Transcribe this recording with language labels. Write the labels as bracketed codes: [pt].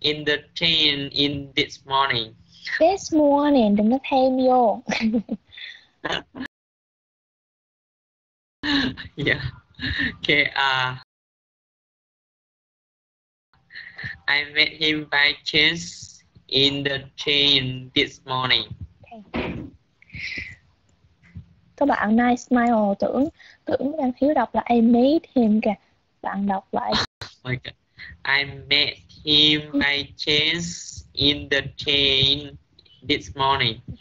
[en] I met him by chance in the train this morning. This morning, [vi] đừng có thêm vô. [en] Yeah. Okay. I met him by chance in the train this morning. Okay. [vi] Các bạn nice smile tưởng đang thiếu đọc là [en] I met him [vi] kìa. Bạn đọc lại. [en] I met him by chance in the train this morning.